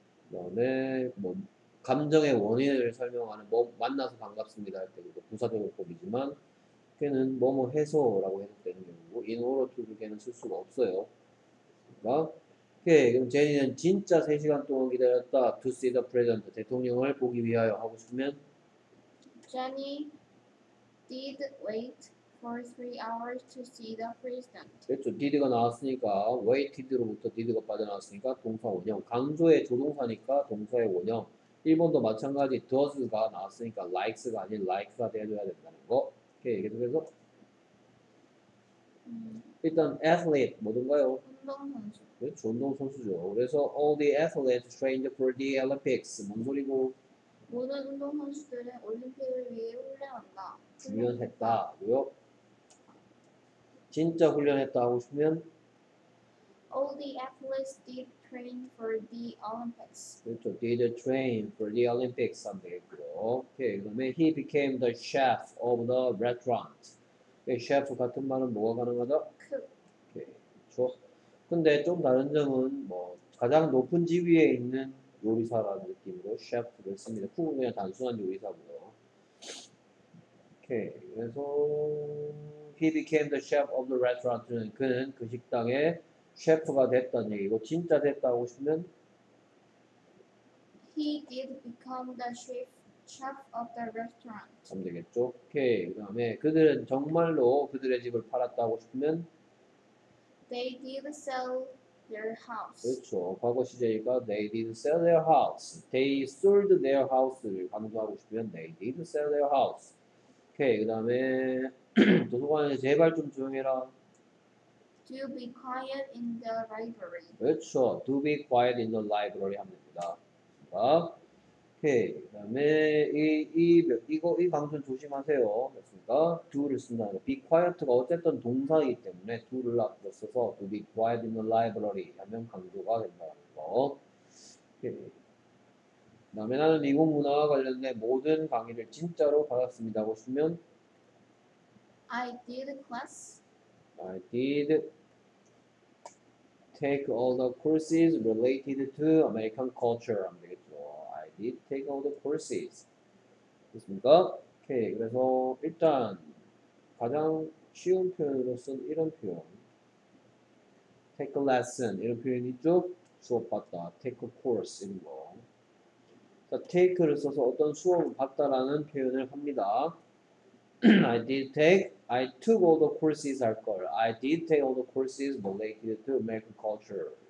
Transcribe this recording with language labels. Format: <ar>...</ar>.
<ko>그다음에 뭐 감정의 원인을 설명하는 뭐 만나서 반갑습니다 할때 그거 부사적용법이지만 걔는 뭐뭐 해서라고 해석되는 경우고 in order to 걔는 쓸 수가 없어요. 그러니까 오케이 그럼 제니는 진짜 3시간 동안 기다렸다.</ko> <en>To see the president</en> <ko>대통령을 보기 위하여 하고 싶으면</ko> <en>Jenny did wait for 3 hours to see the president.</en> <ko>그렇죠. did가 나왔으니까 waited로부터 did가 빠져나왔으니까 동사 원형 강조의 조동사니까 동사의 원형 1번도 마찬가지, does가 나왔으니까 likes가 아닌 like가 되어줘야 된다는 거. 오케이, 계속해서. 일단, athlete, 뭐든가요? 운동선수. 그렇죠, 운동선수죠.</ko> <en>그래서, all the athletes trained for the Olympics.</en> <ko>뭔 소리고? 모든 운동선수들은 올림픽을 위해 훈련한다. 훈련했다. 훈련했다고요? 진짜 훈련했다 하고 싶으면?</ko> <en>All the athletes did train for the Olympics.</en> <ko>그렇죠.</ko> <en>Did train for the Olympics</en> <ko>안 되겠고요. 오케이. 그다음에</ko> <en>he became the chef of the restaurant.</en> <ko>셰프 같은 말은 뭐가 가능하다? 그렇죠. 근데 좀 다른 점은 뭐 가장 높은 지위에 있는 요리사라는 느낌으로 셰프를 씁니다. 쿡은 그냥 단순한 요리사고요. 오케이. 그래서</ko> <en>he became the chef of the restaurant</en> <ko>는 그는 그 식당에 셰프가 됐다는 얘기고 진짜 됐다고 싶으면</ko> <en>He did become the chef of the restaurant.</en> <ko>하면 되겠죠? 오케이. 그다음에 그들은 정말로 그들의 집을 팔았다고 싶으면</ko> <en>They did sell their house.</en> <ko>그렇죠. 과거 시제니까</ko> <en>they did sell their house. They sold their house</en> <ko>를 강조하고 싶으면</ko> <en>they did sell their house.</en> <ko>오케이. 그다음에 도서관에서 제발 좀 조용해라.</ko> <en>To be quiet in the library.</en> <ko>그렇죠.</ko> <en>Do be quiet in the library</en> <ko>하면 됩니다. 아, 오케이. 그다음에 이 강조 조심하세요. 됐습니까? Do를 쓴다. Be quiet가 어쨌든 동사이기 때문에 do를 써서</ko> <en>Do be quiet in the library</en> <ko>하면 강조가 된다는 거. 오케이. 그다음에 나는 미국 문화와 관련된 모든 강의를 진짜로 받았습니다. 하고 싶으면</ko> <en>I did class. I did. Take all the courses related to American culture.</en> <ko>안 되겠죠.</ko> <en>I did take all the courses.</en> <ko>됐습니까? 오케이. 그래서 일단 가장 쉬운 표현으로 쓴 이런 표현.</ko> <en>Take a lesson.</en> <ko>이런 표현이 있죠? 수업 받다.</ko> <en>Take a course.</en> <ko>이런 거. 자, take를 써서 어떤 수업을 받다라는 표현을 합니다.</ko> <en>I took all the courses,</en> <ko>할 걸.</ko> <en>I did take all the courses related to American culture.</en>